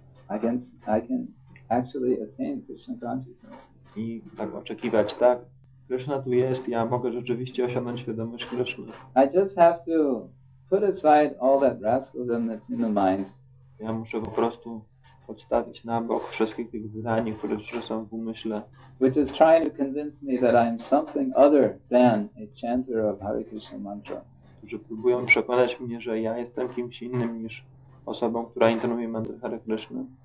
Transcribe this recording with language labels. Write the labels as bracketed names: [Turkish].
[English] I can actually attain Krishna consciousness. [Polish] I tak oczekiwać, tak? Krishna tu jest, ja mogę rzeczywiście osiągnąć świadomość Krishna. [English] I just have to put aside all that rascalism that's in the mind. [Polish] Ja muszę po prostu odstawić na bok wszystkich tych zdań, które są w umyśle. [English] Which is trying to convince me that I'm something other than a chanter of Hare Krishna mantra. [Polish] Którzy próbują przekonać mnie, że ja jestem kimś innym niż osobą, która intonuje mantra Hare Krishna.